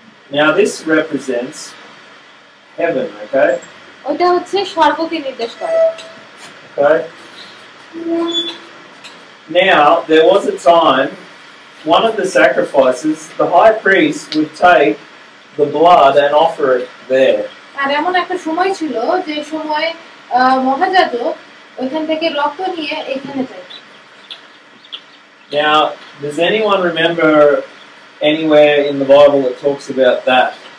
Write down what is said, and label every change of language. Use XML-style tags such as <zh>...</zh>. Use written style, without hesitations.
<en>Now this represents heaven, okay?</en> <bn>ওটা হচ্ছে স্বর্গকে নির্দেশ করে</bn> <en>Now, there was a time, one of the sacrifices, the high priest would take the blood and offer it there.</en> <bn>আর এমন একটা সময় ছিল যে সময় মহাযাজক ওইখান থেকে রক্ত নিয়ে এখানে যেত</bn> <en>Now, does anyone remember anywhere in the Bible that talks about that?</en>